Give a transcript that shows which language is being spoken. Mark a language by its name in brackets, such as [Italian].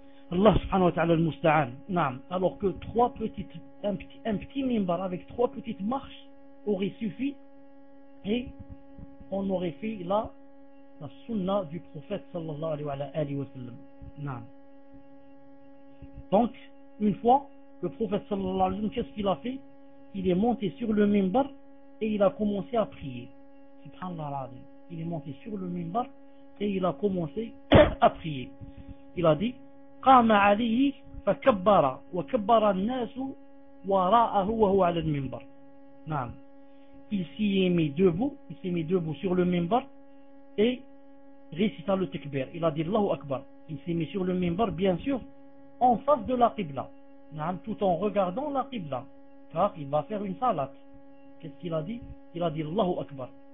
[French] Allah subhanahu wa ta'ala al-musta'an. Naam. Alors que trois petites, un petit mimbar avec trois petites marches aurait suffi et on aurait fait là la sunna du prophète sallallahu alayhi wa sallam. Naam. Donc, une fois, le prophète sallallahu alayhi wa sallam, qu'est-ce qu'il a fait? Il est monté sur le minbar et il a commencé à prier. Subhanallah. Il est monté sur le minbar et il a commencé à prier. Il a dit: [Arabic] قام عليه فكبر وكبر الناس وراءه وهو على المنبر. نعم. [French] Il s'est mis debout, il s'est mis debout sur le minbar et récita le takbir. Il a dit Allahu Akbar. Il s'est mis sur le minbar, bien sûr, en face de la Qibla. نعم, tout en regardant la Qibla. Car il va faire une salat. Qu'est-ce qu'il a dit? Il a dit Allahu Akbar.